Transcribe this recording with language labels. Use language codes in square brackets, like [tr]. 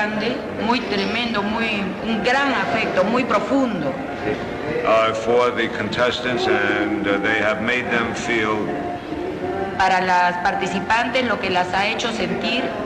[es] grande, muy tremendo, muy un gran afecto, muy profundo. [en] For the contestants and they have made them feel. [es] Para las participantes, lo que las ha hecho sentir.